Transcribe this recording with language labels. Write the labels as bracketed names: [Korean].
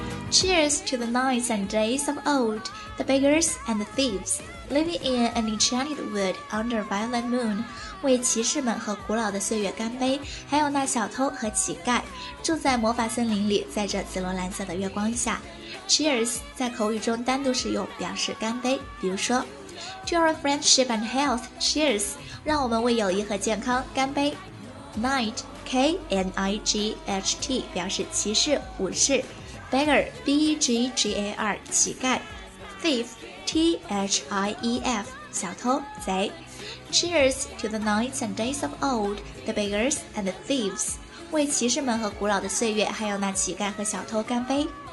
[English] Cheers to the nights and days of old, the beggars and the thieves, living in an enchanted wood under a violent moon. [Chinese] 为骑士们和古老的岁月干杯，还有那小偷和乞丐，住在魔法森林里，在这紫罗兰色的月光下。 Cheers 在口语中单独使用表示干杯，比如说 [English] To our friendship and health, cheers， [Chinese] 让我们为友谊和健康干杯。 Knight, K-N-I-G-H-T 表示骑士、武士。 Beggar, B-E-G-G-A-R 乞丐。 Thief, T-H-I-E-F 小偷、贼。 [English] Cheers to the nights and days of old, the beggars and the thieves， [Chinese] 为骑士们和古老的岁月还有那乞丐和小偷干杯。